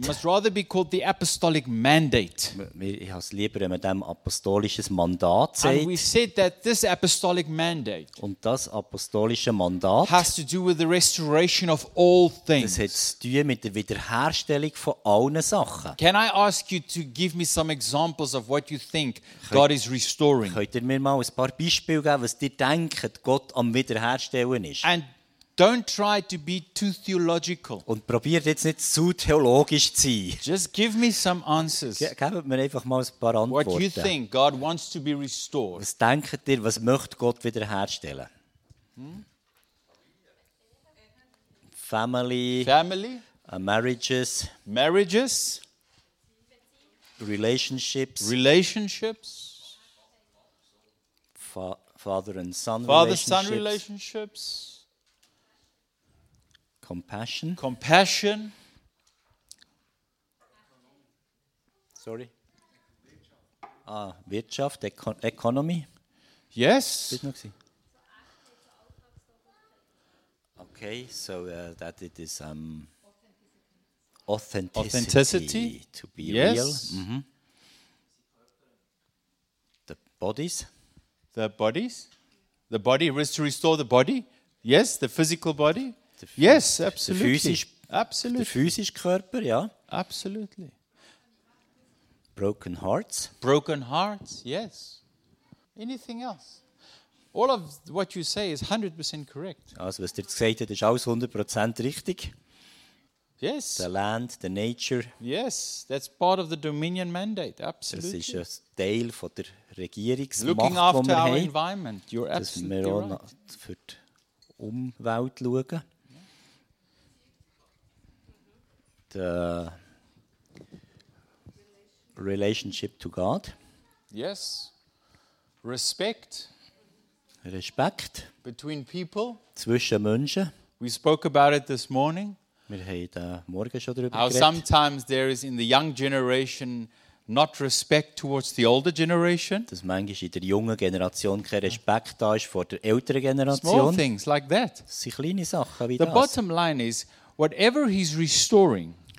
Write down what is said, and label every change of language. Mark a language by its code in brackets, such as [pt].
[en] must rather be called the apostolic mandate. [de] Ich habe es lieber, wenn man dem apostolisches Mandat sagt. [en] And we said that this apostolic mandate, [de] und das apostolische Mandat, [en] has to do with the restoration of all things. [de] Das hat zu tun mit der Wiederherstellung von allen Sachen. [en] Can I ask you to give me some examples of what you think God is restoring? [de] Könnt ihr mir mal ein paar Beispiele geben, was ihr denkt, Gott am Wiederherstellen ist? [en] And don't try to be too theological. [de] Und probiert jetzt nicht zu theologisch zu sein. [en] Just give me some answers. [de] Gebt mir einfach mal ein paar Antworten. [en] What you think God wants to be restored? [de] Was denkt ihr, was möchte Gott wiederherstellen? [en] Family. Marriages. Marriages. Relationships. Relationships. Father and son relationships. Compassion. Sorry. Wirtschaft. Economy. Yes. Okay. So that it is authenticity to be yes. real. Mm-hmm. The bodies. The body is to restore the body. Yes, the physical body. Yes, absolutely. [de] Der physische Körper, ja. [en] Absolutely. Broken hearts, yes. Anything else? All of what you say is 100% correct. [de] Also, was du gesagt hast, ist alles 100% richtig. [en] Yes. The land, the nature. Yes, that's part of the dominion mandate. Absolutely. [de] Das ist ein Teil von der Regierungsmacht, [en] looking after [de] die wir [en] our [de] haben, [en] environment. You're absolutely [de] dass wir auch [en] right. [de] Für die Umwelt schauen. [en] Yeah. The relationship to God. Yes. Respect. [de] Respekt. [en] Between people. [de] Zwischen Menschen. [en] We spoke about it this morning. [de] Wir haben da morgen schon darüber geredet. [en] How sometimes there is in the young generation not respect towards the older generation. [de] Dass manchmal in der jungen Generation kein Respekt da ist vor der älteren Generation. [en] Small things like that. [de] Das sind kleine Sachen wie [en] the [de] das. [en] Bottom line is, whatever he's restoring.